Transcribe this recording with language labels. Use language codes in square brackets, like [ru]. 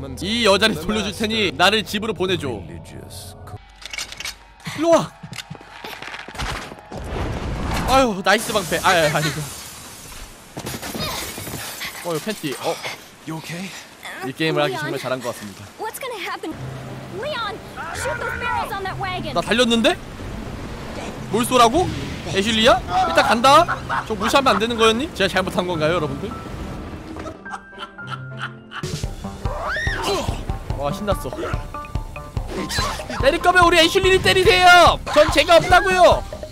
[ko] 이 여자를 돌려줄 테니 나를 집으로 보내줘. 일로 와. 아유, 나이스 방패. 아유, 아니고. 어, 팬티. 어, [en] you okay? [ko] 이 게임을 하기 정말 잘한 것 같습니다. [en] What's gonna happen? Leon, shoot those barrels on that wagon. [ko] 나 달렸는데? 뭘 쏘라고? 애슐리야? 일단 간다. 저 무시하면 안 되는 거였니? 제가 잘못한 건가요, 여러분들? 와, 신났어. 때릴 거면 우리 애슐리를 때리세요. 전 죄가 없다고요.